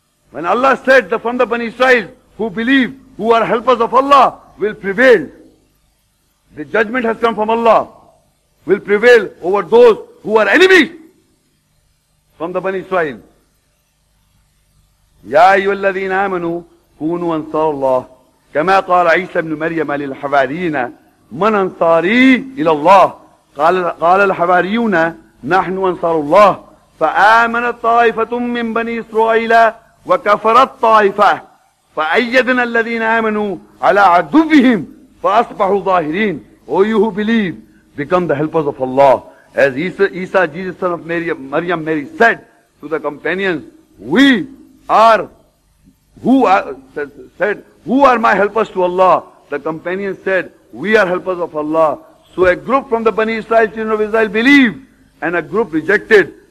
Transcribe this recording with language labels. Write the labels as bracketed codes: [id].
[en] When Allah said that from the Bani Israel who believe, who are helpers of Allah, will prevail. The judgment has come from Allah. Will prevail over those who are enemies from the Bani Israel. [ar] Ya ayyuhalladhina amanu kunu ansarullah. كما قال عيسى ابن مريم للحواريين من انصاري الى الله قال الحواريون نحن انصار الله فآمنت طائفة من بني اسرائيل وكفرت طائفة فأيدنا الذين آمنوا على عدوهم فأصبحوا ظاهرين. [en] Oh, you who believe, become the helpers of Allah. As Isa, Jesus son of Mary said to the companions, who are my helpers to Allah? The companion said, we are helpers of Allah. So a group from the Bani Israel, children of Israel, believe, and a group rejected.